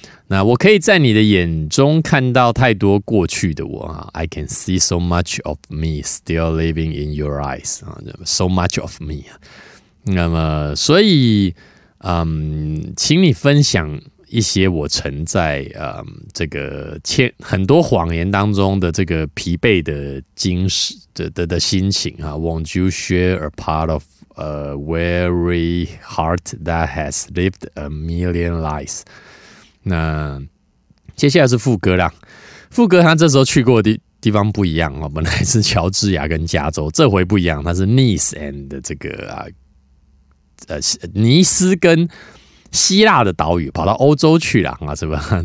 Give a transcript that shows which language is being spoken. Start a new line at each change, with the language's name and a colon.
Chinese: 那我可以在你的眼中看到太多过去的我啊
English: ，I can see so much of me still living in your eyes 啊 ，so much of me。
Chinese: 那么，所以，请你分享一些我曾在这个很多谎言当中的这个疲惫的精神 的心情啊。
English: Won't you share a part of a weary heart that has lived a million lives？
Chinese: 那接下来是副歌啦，副歌他这时候去过的地方不一样哦，本来是乔治亚跟加州，这回不一样，他是 Nice and 这个尼斯跟希腊的岛屿，跑到欧洲去啦，是吧？